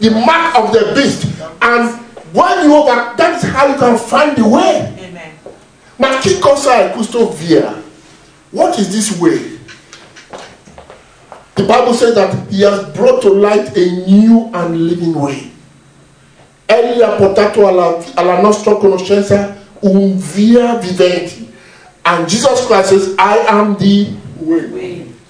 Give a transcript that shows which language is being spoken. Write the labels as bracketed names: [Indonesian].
[English] The mark of the beast. And when you overcome, that is how you can find the way. Amen. [Italian] Ma chi cosa è questo via? [English] What is this way? The Bible says that he has brought to light a new and living way. [Italian] Egli ha portato alla nostra conoscenza un via vivente. [English] And Jesus Christ says, I am the way.